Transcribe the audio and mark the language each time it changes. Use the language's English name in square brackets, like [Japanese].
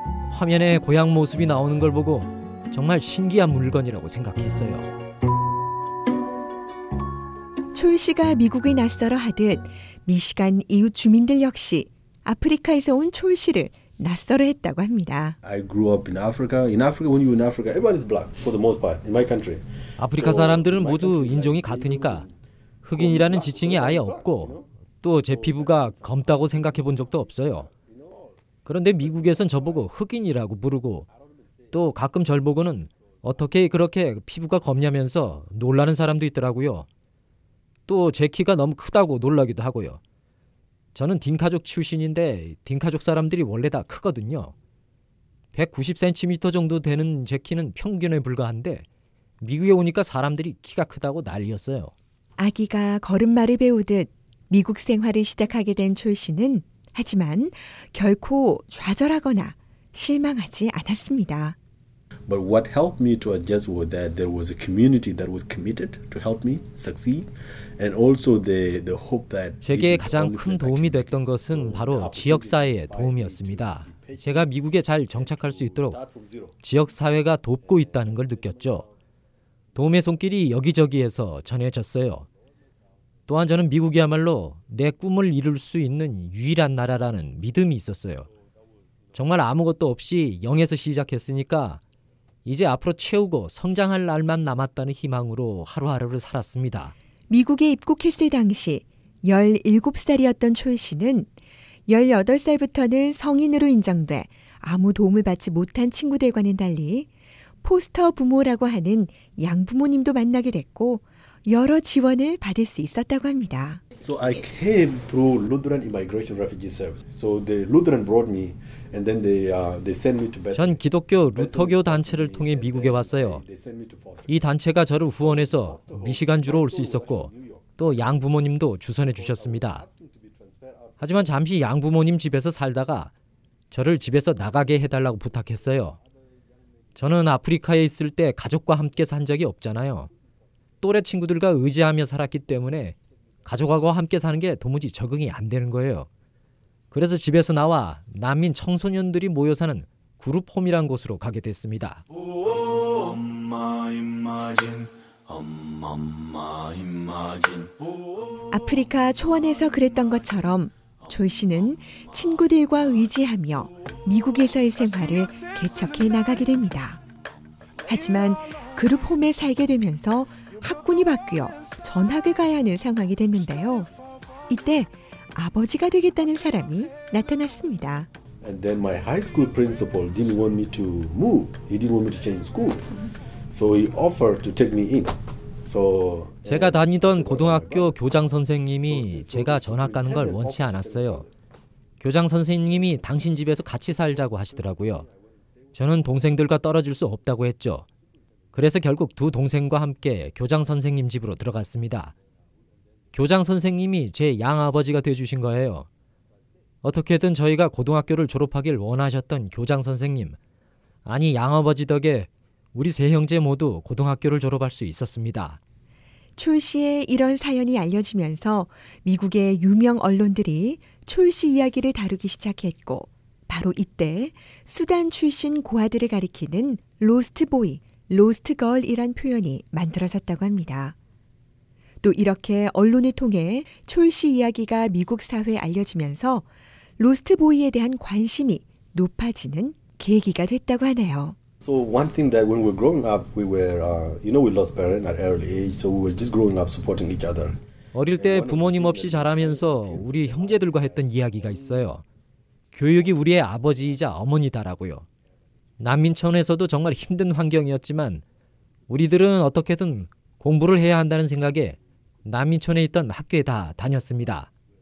[Korean] 화면에 고향 모습이 나오는 걸 보고 정말 신기한 물건이라고 생각했어요. 촐 씨가 미국에 낯설어 하듯 미시간 이웃 주민들 역시 아프리카에서 온 촐 씨를 낯설어 했다고 합니다. [English] I grew up in Africa. In Africa, when you in Africa, everyone is black for the most part in my country. [Korean] 아프리카 사람들은 모두 인종이 같으니까 흑인이라는 지칭이 아예 없고 또 제 피부가 검다고 생각해 본 적도 없어요. 그런데 미국에선 저보고 흑인이라고 부르고 또 가끔 절 보고는 어떻게 그렇게 피부가 검냐면서 놀라는 사람도 있더라고요. 또 제 키가 너무 크다고 놀라기도 하고요. 저는 딘카족 출신인데 딘카족 사람들이 원래 다 크거든요. 190cm 정도 되는 제 키는 평균에 불과한데 미국에 오니까 사람들이 키가 크다고 난리였어요. 아기가 걸음마를 배우듯 미국 생활을 시작하게 된 촐 씨는 하지만 결코 좌절하거나 실망하지 않았습니다. [English] But what helped me to adjust was that there was a community that was committed to help me succeed and also the hope that [Korean] 제게 가장 큰 도움이 됐던 것은 바로 지역 사회의 도움이었습니다. 제가 미국에 잘 정착할 수 있도록 지역 사회가 돕고 있다는 걸 느꼈죠. 도움의 손길이 여기저기에서 전해졌어요. 또한 저는 미국이야말로 내 꿈을 이룰 수 있는 유일한 나라라는 믿음이 있었어요. 정말 아무것도 없이 0에서 시작했으니까 이제 앞으로 채우고 성장할 날만 남았다는 희망으로 하루하루를 살았습니다. 미국에 입국했을 당시 17살이었던 초 씨는 18살부터는 성인으로 인정돼 아무 도움을 받지 못한 친구들과는 달리 포스터 부모라고 하는 양부모님도 만나게 됐고 여러 지원을 받을 수 있었다고 합니다. [English] So I came through Lutheran Immigration Refugee Service. So the Lutheran brought me and then they sent me to Bethlehem. [Korean] 전 기독교 루터교 단체를 통해 미국에 왔어요. 이 단체가 저를 후원해서 미시간주로 올 수 있었고 또 양부모님도 주선해 주셨습니다. 하지만 잠시 양부모님 집에서 살다가 저를 집에서 나가게 해달라고 부탁했어요. 저는 아프리카에 있을 때 가족과 함께 산 적이 없잖아요. 또래 친구들과 의지하며 살았기 때문에 가족하고 함께 사는 게 도무지 적응이 안 되는 거예요. 그래서 집에서 나와 난민 청소년들이 모여 사는 그룹홈이란 곳으로 가게 됐습니다. 아프리카 초원에서 그랬던 것처럼 졸 씨는 친구들과 의지하며 미국에서의 생활을 개척해 나가게 됩니다. 하지만 그룹홈에 살게 되면서 학군이 바뀌어 전학을 가야 하는 상황이 됐는데요. 이때 아버지가 되겠다는 사람이 나타났습니다. [English] And then my high school principal didn't want me to move. He didn't want me to change school. So he offered to take me in. So [Korean] 제가 다니던 고등학교 교장 선생님이 제가 전학 가는 걸 원치 않았어요. 교장 선생님이 당신 집에서 같이 살자고 하시더라고요. 저는 동생들과 떨어질 수 없다고 했죠. 그래서 결국 두 동생과 함께 교장 선생님 집으로 들어갔습니다. 교장 선생님이 제 양아버지가 돼주신 거예요. 어떻게든 저희가 고등학교를 졸업하길 원하셨던 교장 선생님, 아니 양아버지 덕에 우리 세 형제 모두 고등학교를 졸업할 수 있었습니다. 출 씨의 이런 사연이 알려지면서 미국의 유명 언론들이 출 씨 이야기를 다루기 시작했고, 바로 이때 수단 출신 고아들을 가리키는 로스트 보이, 로스트 걸이란 표현이 만들어졌다고 합니다. 또 이렇게 언론을 통해 출 씨 이야기가 미국 사회에 알려지면서 로스트 보이에 대한 관심이 높아지는 계기가 됐다고 하네요. [English] So one thing that when we were growing up, we were, you know, we lost parents at early age, so we were just growing up supporting each other. [Korean] 어릴 때 부모님 없이 자라면서 우리 형제들과 했던 이야기가 있어요. 교육이 우리의 아버지이자 어머니다라고요. 난민촌에서도 정말 힘든 환경이었지만 우리들은 어떻게든 공부를 해야 한다는 생각에 난민촌에 있던 학교에 다 다녔습니다.